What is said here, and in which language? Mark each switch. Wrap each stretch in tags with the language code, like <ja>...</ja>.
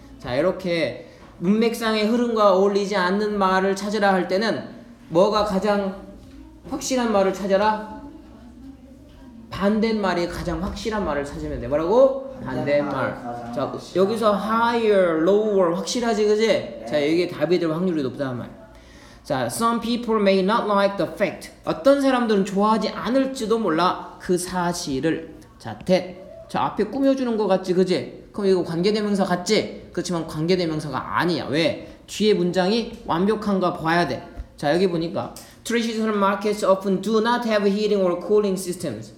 <ko>자 이렇게 문맥상의 흐름과 어울리지 않는 말을 찾으라 할 때는 뭐가 가장 확실한 말을 찾아라? 반대말이 가장 확실한 말을 찾으면 돼. 뭐라고? 반대말. 자 여기서 higher, lower 확실하지 그지? 네. 자 여기에 답이 될 확률이 높다는 말. 자</ko> <en>some people may not like the fact.</en> <ko>어떤 사람들은 좋아하지 않을지도 몰라 그 사실을. 자 that. 자 앞에 꾸며주는 것 같지 그지? 그럼 이거 관계대명사 같지? 그렇지만 관계대명사가 아니야. 왜? 뒤에 문장이 완벽한가 봐야 돼. 자 여기 보니까</ko> <en>traditional markets often do not have heating or cooling systems.</en>